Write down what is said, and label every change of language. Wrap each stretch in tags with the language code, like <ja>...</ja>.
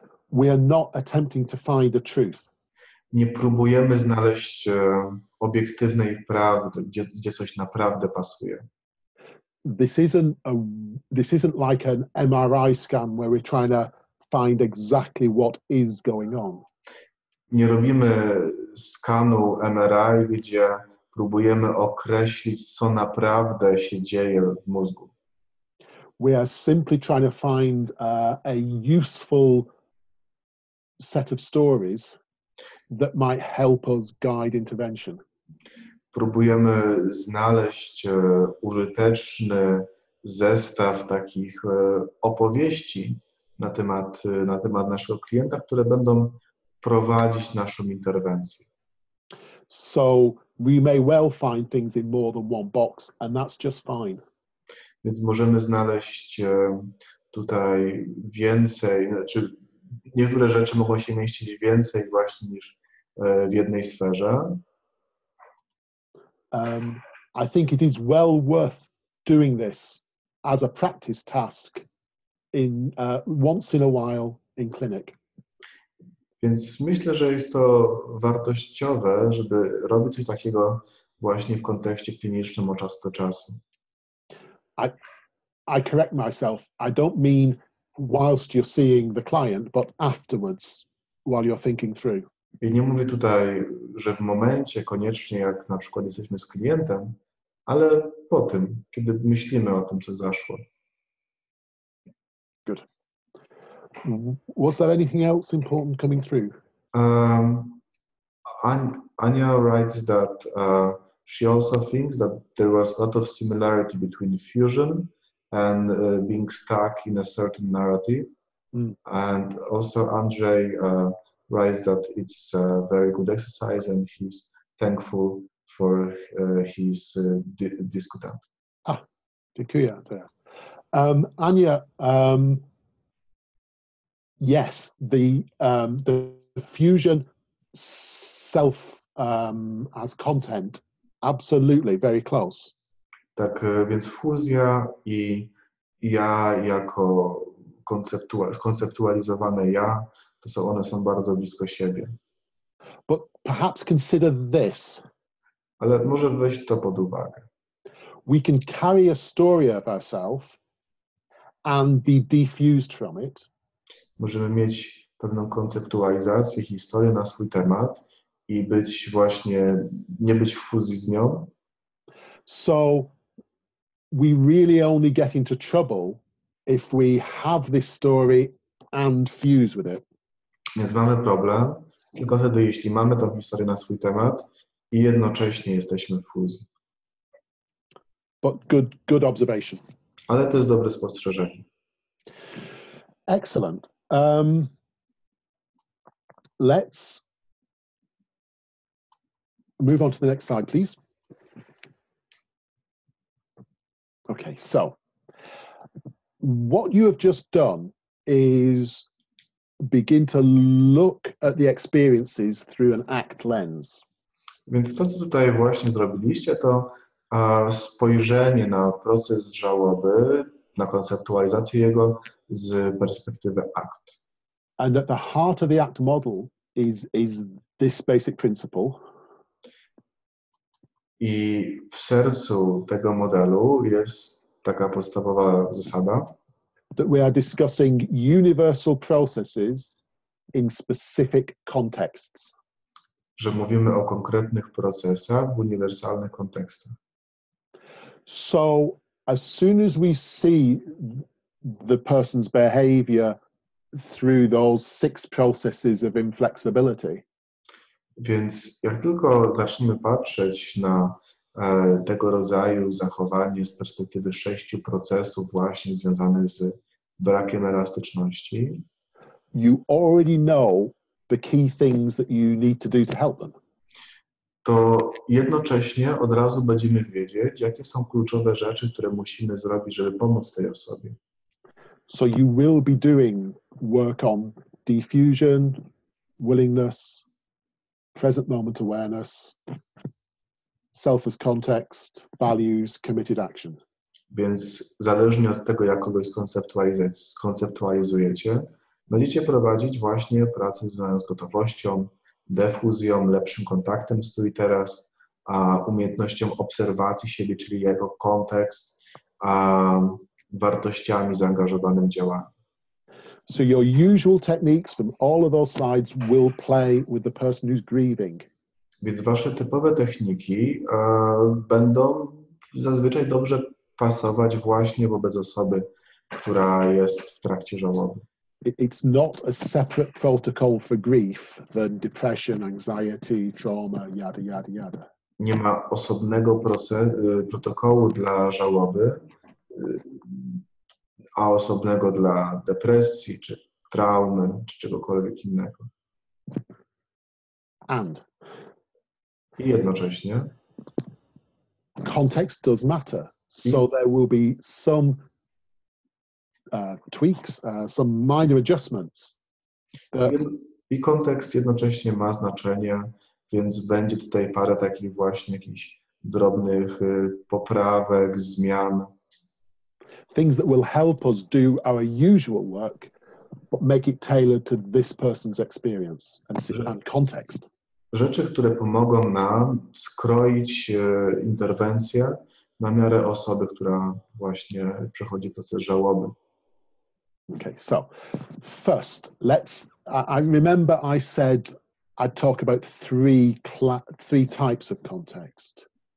<en>we are not attempting to find the truth.</en> <pl>Nie próbujemy znaleźć obiektywnej prawdy, gdzie coś naprawdę pasuje.</pl> <en>This isn't like an MRI scan where we're trying to find exactly what is going on.</en> <pl>Nie robimy skanu MRI, gdzie próbujemy określić, co naprawdę się dzieje w mózgu.</pl> <en>We are simply trying to find a useful set of stories that might help us guide intervention.</en> <pl>Próbujemy znaleźć użyteczny zestaw takich opowieści na temat naszego klienta, które będą prowadzić naszą interwencję.</pl> <en>So we may well find things in more than one box, and that's just fine.</en> <pl>Więc możemy znaleźć tutaj więcej, znaczy niektóre rzeczy mogą się mieścić więcej właśnie niż w jednej sferze.</pl> <en>I think it is well worth doing this as a practice task in once in a while in clinic.</en> <pl>Więc myślę, że jest to wartościowe, żeby robić coś takiego właśnie w kontekście klinicznym od czasu do czasu.</pl> <en>I correct myself. I don't mean whilst you're seeing the client, but afterwards, while you're thinking through.</en> <pl>I nie mówię tutaj, że w momencie koniecznie, jak na przykład jesteśmy z klientem, ale po tym, kiedy myślimy o tym, co zaszło.</pl> <en>Good. Was there anything else important coming through? Anya writes that she also thinks that there was a lot of similarity between fusion and being stuck in a certain narrative. Mm. And also Andrzej writes that it's a very good exercise and he's thankful for his discutant.</en> <pl>Ah, dziękuję, Andrzej.</pl> <en>Anya, yes, the fusion self as content, absolutely, very close.</en> <pl>Tak, więc fuzja i ja jako skonceptualizowane ja, to są one są bardzo blisko siebie.</pl> <en>But perhaps consider this.</en> <pl>Ale może weź to pod uwagę.</pl> <en>We can carry a story of ourselves and be defused from it.</en> <pl>Możemy mieć pewną konceptualizację, historię na swój temat i być właśnie, nie być w fuzji z nią.</pl> <en>So we really only get into trouble if we have this story and fuse with it.</en> <pl>Więc mamy problem, tylko wtedy, jeśli mamy tą historię na swój temat i jednocześnie jesteśmy w fuzji.</pl> <en>But good observation.</en> <pl>Ale to jest dobre spostrzeżenie.</pl> <en>Excellent. Let's move on to the next slide, please. Okay, so what you have just done is begin to look at the experiences through an ACT lens.</en> <pl>Więc to, co tutaj właśnie zrobiliście, to spojrzenie na proces żałoby, na konceptualizację jego z perspektywy ACT.</pl> <en>And at the heart of the ACT model is this basic principle.</en> <pl>I w sercu tego modelu jest taka podstawowa zasada.</pl> <en>That we are discussing universal processes in specific contexts.</en> <pl>Że mówimy o konkretnych procesach w uniwersalnych kontekstach.</pl> <en>So as soon as we see the person's behavior through those six processes of inflexibility.</en> <pl>Więc jak tylko zaczniemy patrzeć na tego rodzaju zachowanie z perspektywy sześciu procesów właśnie związanych z brakiem elastyczności,</pl> <en>you already know the key things that you need to do to help them.</en> <pl>To jednocześnie od razu będziemy wiedzieć, jakie są kluczowe rzeczy, które musimy zrobić, żeby pomóc tej osobie.</pl> <en>So you will be doing work on diffusion, willingness, present moment awareness, self as context, values, committed action.</en> <pl>Więc zależnie od tego, jak kogoś skonceptualizujecie, będziecie prowadzić właśnie pracę związaną z gotowością, defuzją, lepszym kontaktem z tu i teraz, a umiejętnością obserwacji siebie, czyli jego kontekst, a wartościami zaangażowanym działaniem.</pl> <en>So your usual techniques from all of those sides will play with the person who's grieving.</en> <pl>Więc wasze typowe techniki będą zazwyczaj dobrze pasować właśnie wobec osoby, która jest w trakcie żałoby.</pl> <en>It's not a separate protocol for grief than depression, anxiety, trauma, yada, yada, yada.</en> <pl>Nie ma osobnego protokołu dla żałoby, a osobnego dla depresji, czy traumy, czy czegokolwiek innego.</pl> <en>And?</en> <pl>I jednocześnie.</pl> <en>Context does matter, so there will be some tweaks, some minor adjustments.</en> <pl>I kontekst jednocześnie ma znaczenie, więc będzie tutaj parę takich właśnie jakichś drobnych poprawek, zmian.</pl> <en>Things that will help us do our usual work, but make it tailored to this person's experience and context.</en> <pl>Rzeczy, które pomogą nam skroić interwencję na miarę osoby, która właśnie przechodzi proces żałoby.</pl> <en>Okay, so first, I remember I said I'd talk about three types of context.</en>